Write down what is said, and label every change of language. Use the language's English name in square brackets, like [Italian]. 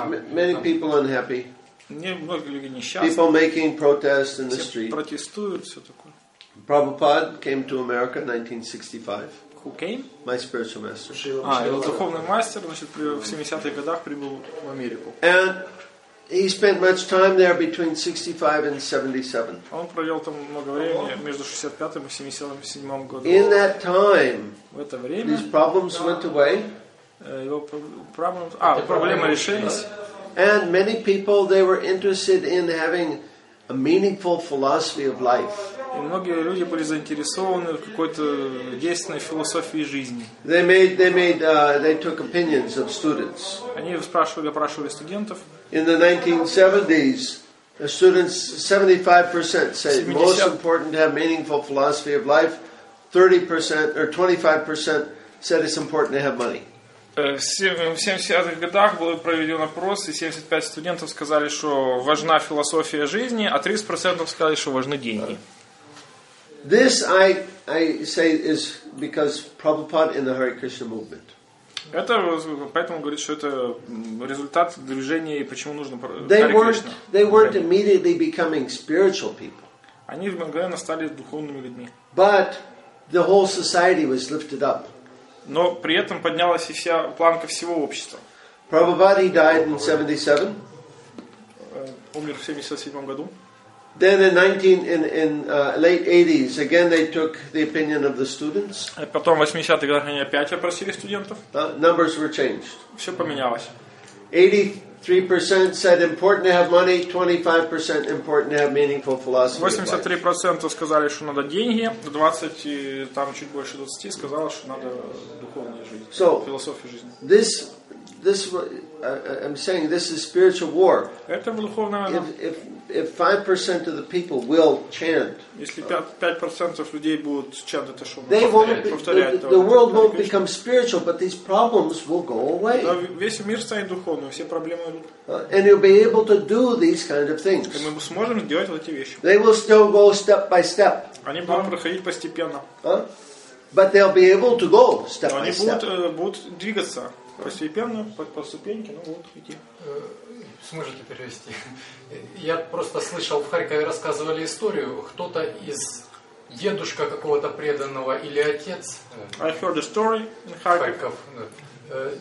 [English] Many people unhappy. People making protests in the street. [Russian] Протестуют, все такое. [English] Prabhupada came to America in 1965. Who came? My spiritual master. [Russian] Его духовный мастер, значит, в 70-х годах прибыл в Америку. [English] And he spent much time there between 65 and 77. [Russian] Он провел там много времени между 65-м и 77-м годом. [English] In that time, [Russian] в это время, [English] his problems went away. [Russian] Его проблемы решились. [English] And many people, they were interested in having a meaningful philosophy of life. [Russian] И многие люди были заинтересованы в какой-то действенной философии жизни. [English] They took opinions of students. [Russian] Они опрашивали студентов. [English] In the 1970s, the students, 75% said most important to have meaningful philosophy of life. 30% or 25% said it's important to have money. [Russian] В 70-х годах был проведен опрос, и 75 студентов сказали, что важна философия жизни, а 30% сказали, что важны деньги. [English] This I say is because Prabhupada in the Hare Krishna movement. [Russian] Это поэтому говорит, что это результат движения и почему нужно Hare Krishna. [English] They weren't immediately becoming spiritual people. [Russian] Они мгновенно стали духовными людьми. [English] But the whole society was lifted up. [Russian] Но при этом поднялась и вся планка всего общества. [English] Prabhupada died in 77. [Russian] Умер в 77 году. [English] Then late 80s, again they took the opinion of the students. [Russian] Потом в 80-х годах они опять опросили студентов. [English] Numbers were changed. [Russian] Все поменялось. [English] 83% said important to have money, 25% important to have meaningful philosophy. [Russian] 83% сказали, что надо деньги, 20 там чуть больше 20 сказало, что надо духовная жизнь, философия жизни. [English] This I'm saying this is spiritual war. [Russian] Это духовная война. [English] If if 5% of the people will chant, [Russian] если 5% людей будут чантать это шоу, [English] they won't [Russian] повторять это. [English] The world won't become spiritual, but these problems will go away. [Russian] Весь мир станет духовным, все проблемы уйдут. [English] And you'll be able to do these kind of things. [Russian] Мы сможем сделать эти вещи. [English] They will still go step by step. [Russian] Они будут проходить постепенно. [English] But they'll be able to go step by step. [Russian] Они будут двигаться постепенно, по ступеньке, но будут идти. Сможете перевести? Я просто слышал, в Харькове рассказывали историю, кто-то из дедушка какого-то преданного или отец. [English] I heard a story in Kharkiv. [Russian] Харьков, да.